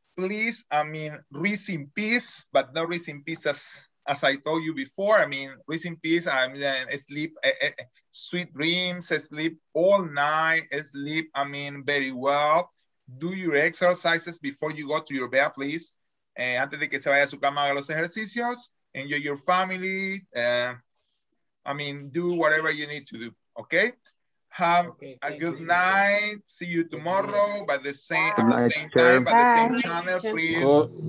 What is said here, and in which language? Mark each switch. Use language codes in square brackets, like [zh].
[en] please, I mean, rest in peace, but not rest in peace as I told you before. I mean, rest in peace, I mean, sleep, sweet dreams, sleep all night, sleep, I mean, very well. Do your exercises before you go to your bed, please. [es] Antes de que se vaya a su cama, haga los ejercicios. [en] Enjoy your family. I mean, do whatever you need to do, okay? Have okay, a good you, night. Sir. See you tomorrow, but the same, at the same time, but the same channel, please.